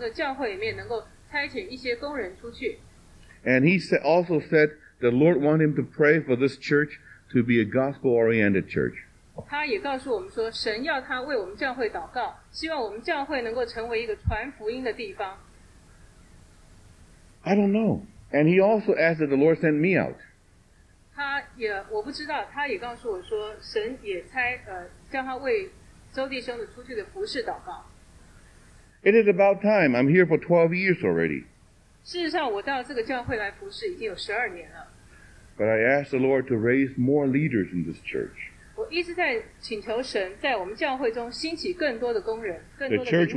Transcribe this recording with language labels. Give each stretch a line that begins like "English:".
Chinese: 他告诉我说，神这样子的告，要我这样为你们的教会祷告，并且希望我们从这教会里面能够差遣一些工人出去。
English: And he also said the Lord wanted him to pray for this church to be a gospel-oriented church.
Chinese: 他也告诉我们说，神要他为我们教会祷告，希望我们教会能够成为一个传福音的地方。
English: I don't know. And he also asked that the Lord send me out.
Chinese: 他也告诉我说，神也差叫他为周弟兄的出去的服事祷告。
English: It is about time. I'm here for 12 years already.
Chinese: 事实上，我到这个教会来服事已经有12年了。
English: But I asked the Lord to raise more leaders in this church.
Chinese: 我一直在请求神在我们教会中兴起更多的工人，更多的领导。